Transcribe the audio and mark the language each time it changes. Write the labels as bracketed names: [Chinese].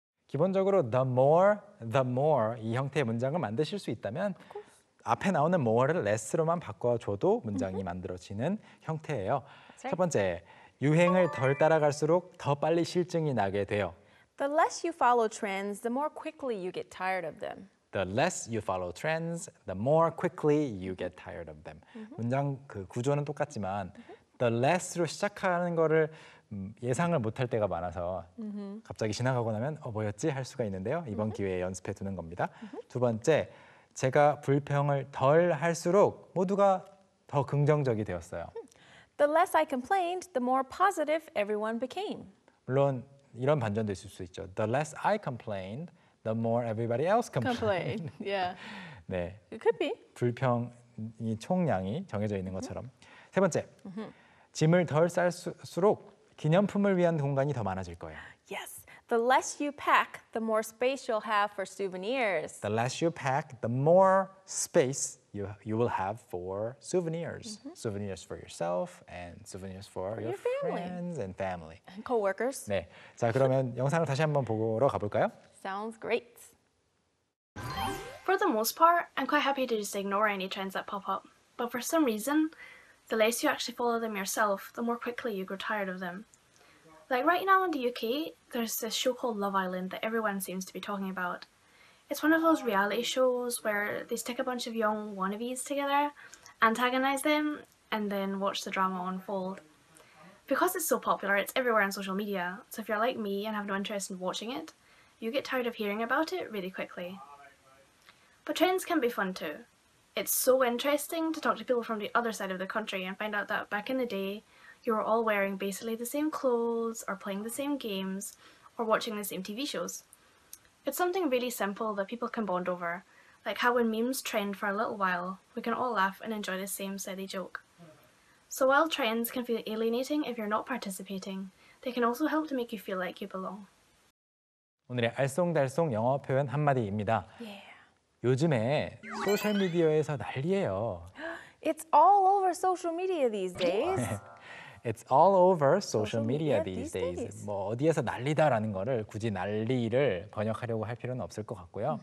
[Korean] the more 이 형태의 문장을 만드실 수 있다면 앞에 나오는 more를 less로만 바꿔줘도 문장이 만들어지는 형태예요. [English] Right. [Korean] 첫 번째, 유행을 덜 따라갈수록 더 빨리 실증이 나게 돼요. [English] The less you follow trends, the more quickly you get tired of them. The less you follow trends, the more quickly you get tired of them. Mm-hmm. [Korean] 문장 그 구조는 똑같지만 the less로 시작하는 거를 예상을 못할 때가 많아서 갑자기 지나가고 나면 뭐였지? 할 수가 있는데요. 이번 기회에 연습해 두는 겁니다. 두 번째, 제가 불평을 덜 할수록 모두가 더 긍정적이 되었어요. [English] The less I complained, the more positive everyone became. [Korean] 물론 이런 반전도 있을 수 있죠. [English] The less I complained, the more everybody else complained. Yeah. [Korean] 네. [English] It could be. [Korean] 불평이 총량이 정해져 있는 것처럼. 세 번째, 짐을 덜 쌀수록 기념품을 위한 공간이 더 많아질 거예요. [English] Yes. The less you pack, the more space you'll have for souvenirs. The less you pack, the more space you will have for souvenirs. Mm-hmm. Souvenirs for yourself and souvenirs for your friends and family. And co-workers. [Korean] 네. 자, 그러면 영상을 다시 한번 보러 가볼까요? [English] Sounds great. For the most part, I'm quite happy to just ignore any trends that pop up. But for some reason, the less you actually follow them yourself, the more quickly you grow tired of them. Like right now in the UK, there's this show called Love Island that everyone seems to be talking about. It's one of those reality shows where they stick a bunch of young wannabes together, antagonize them, and then watch the drama unfold. Because it's so popular, it's everywhere on social media, so if you're like me and have no interest in watching it, you get tired of hearing about it really quickly. But trends can be fun too. It's so interesting to talk to people from the other side of the country and find out that back in the day, you were all wearing basically the same clothes, or playing the same games, or watching the same TV shows. It's something really simple that people can bond over, like how when memes trend for a little while, we can all laugh and enjoy the same silly joke. So while trends can feel alienating if you're not participating, they can also help to make you feel like you belong. [Korean] 오늘의 알쏭달쏭 영어 표현 한마디입니다. [English] Yeah. [Korean] 요즘에 소셜 미디어에서 난리예요. [English] It's all over social media these days. It's all over social media these days. [Korean] 뭐 어디에서 난리다라는 거를 굳이 난리를 번역하려고 할 필요는 없을 것 같고요.